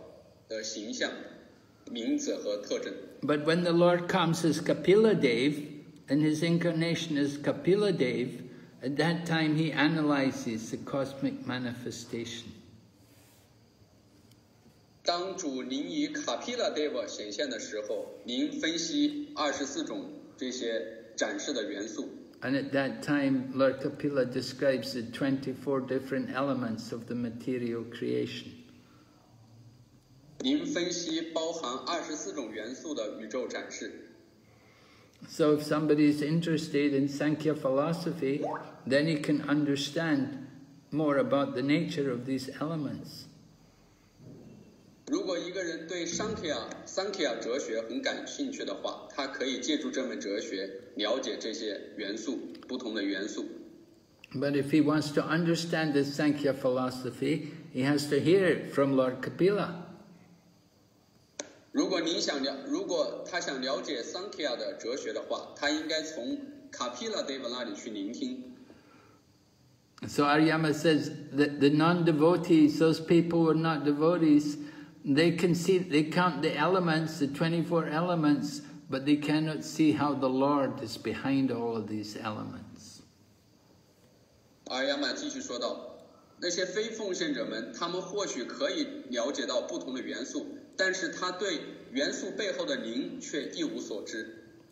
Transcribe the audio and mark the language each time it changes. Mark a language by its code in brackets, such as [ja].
[zh] 没有人能确定您到底有多少的形象、名字和特征。 [en] But when the Lord comes as Kapiladev, in his incarnation as Kapiladev, at that time he analyzes the cosmic manifestation. [zh] 当主您以卡皮拉德瓦显现的时候，您分析24种这些展示的元素。 [en] And at that time, Lord Kapila describes the 24 different elements of the material creation. [zh] 您分析包含24种元素的宇宙展示。 [en] So if somebody is interested in Sankhya philosophy, then he can understand more about the nature of these elements. [zh] 如果一个人对Sankhya哲学很感兴趣的话，他可以借助这门哲学了解这些元素，不同的元素。 [en] But if he wants to understand the Sankhya philosophy, he has to hear it from Lord Kapila. [zh] 如果他想了解 Sankhya 的哲学的话，他应该从 Kapila Deva 那里去聆听。 [en] So Aryama says that the non-devotees, those people who are not devotees, they can see, they count the elements, the 24 elements, but they cannot see how the Lord is behind all of these elements. [zh] 阿亚曼继续说道，那些非奉献者们，他们或许可以了解到不同的元素，但是他对元素背后的灵却一无所知。